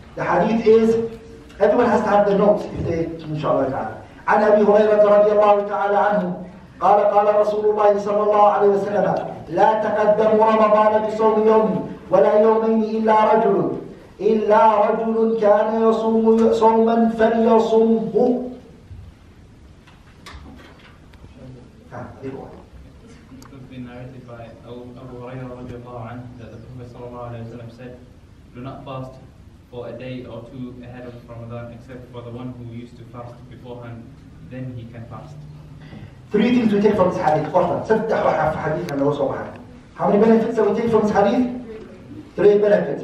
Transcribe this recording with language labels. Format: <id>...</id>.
<en>The hadith is, everyone has to have the notes if they, inshallah ta'ala.</en> <ar>عن أبي هريرة رضي الله تعالى عنه قال قال رسول الله صلى الله عليه وسلم لا تقدموا رمضان بصوم يوم ولا يومين إلا رجل كان يصوم صوما فليصومه.</ar> <en>Do not fast for a day or two ahead of Ramadan except for the one who used to fast beforehand, then he can fast. Three things we take from this hadith. How many benefits do we take from this hadith? Three benefits.</en>